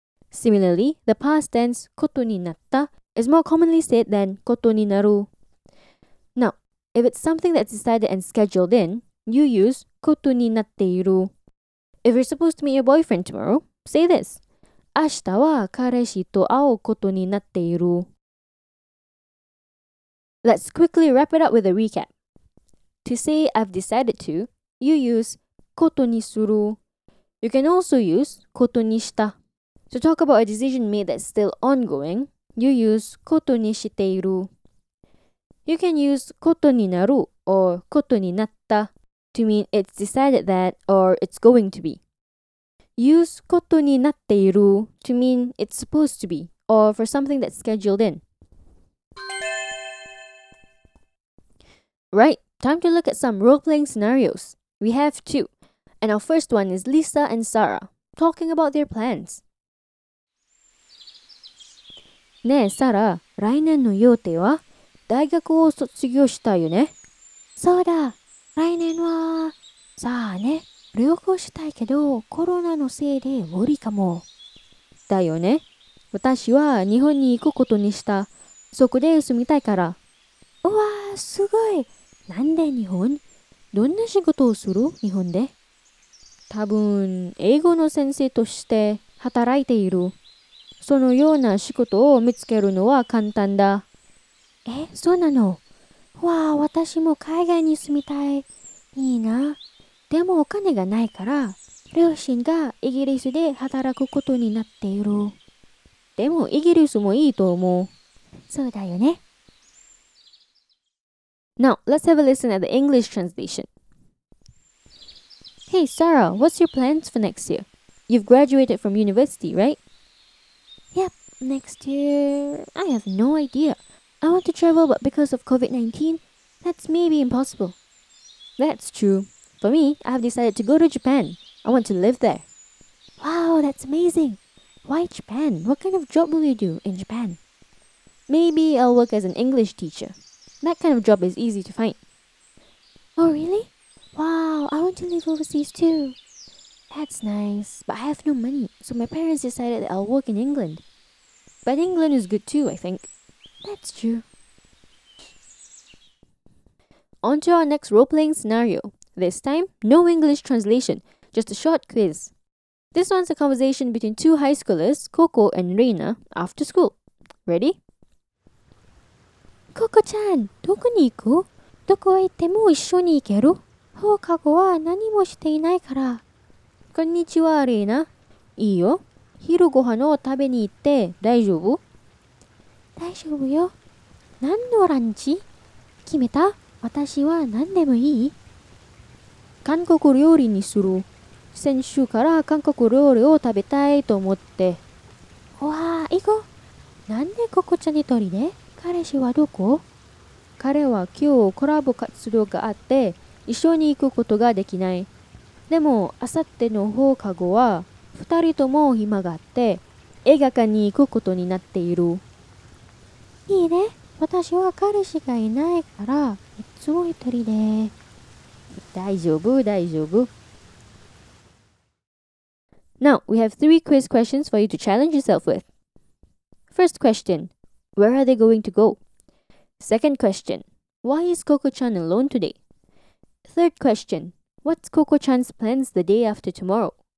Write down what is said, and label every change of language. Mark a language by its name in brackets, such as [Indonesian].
[English] Similarly, the past tense [Japanese] ことになった [English] is more commonly said than [Japanese] ことになる. [English] Now, if it's something that's decided and scheduled in, you use [Japanese] ことになっている. [English] If you're supposed to meet your boyfriend tomorrow, say this. [Japanese] 明日は彼氏と会うことになっている. [English] Let's quickly wrap it up with a recap. To say I've decided to, you use [Japanese] ことにする. [English] You can also use [Japanese] ことにした. [English] To talk about a decision made that's still ongoing, you use [Japanese] koto ni shiteiru. [English] You can use [Japanese] koto ni naru [English] or [Japanese] koto ni natta [English] to mean it's decided that or it's going to be. Use [Japanese] koto ni natteiru [English] to mean it's supposed to be or for something that's scheduled in. Right, time to look at some role-playing scenarios. We have two, and our first one is Lisa and Sarah talking about their plans. [Japanese] ねえ、サラ、来年の予定は大学を卒業したよね。そうだ。来年は、さあね、旅行したいけど、コロナのせいで無理かも。だよね。私は日本に行くことにした。そこで住みたいから。うわー、すごい。なんで日本？どんな仕事をする？日本で。多分、英語の先生として働いている。そのような仕事を見つけるのは簡単だ。え、そうなの？わあ、私も海外に住みたい。いいな。でもお金がないから、両親がイギリスで働くことになっている。でもイギリスもいいと思う。そうだよね。 [English] Now, let's have a listen at the English translation. Hey, Sarah, what's your plans for next year? You've graduated from university, right? Yep, next year... I have no idea. I want to travel, but because of COVID-19, that's maybe impossible. That's true. For me, I have decided to go to Japan. I want to live there. Wow, that's amazing. Why Japan? What kind of job will you do in Japan? Maybe I'll work as an English teacher. That kind of job is easy to find. Oh, really? Wow, I want to live overseas too. That's nice, but I have no money, so my parents decided that I'll work in England. But England is good too, I think. That's true. On to our next role-playing scenario. This time, no English translation, just a short quiz. This one's a conversation between two high schoolers, Coco and Reina, after school. Ready? [Japanese] ココちゃん、どこに行く？どこへ行っても一緒に行ける？放課後は何もしていないから。こんにちは、レイナ。いいよ。昼ご飯を食べに行って大丈夫？大丈夫よ。何のランチ？決めた？私は何でもいい？韓国料理にする。先週から韓国料理を食べたいと思って。わあ、行こう。なんでココちゃんにとりで？彼氏はどこ？彼は今日コラボ活動があって一緒に行くことができない。でも明後日の放課後は二人とも暇があって映画館に行くことになっている。いいね。私は彼氏がいないからいつも一人で。大丈夫、大丈夫。 [English] Now, we have three quiz questions for you to challenge yourself with. First question. Where are they going to go? Second question, why is Coco-chan alone today? Third question, what's Coco-chan's plans the day after tomorrow?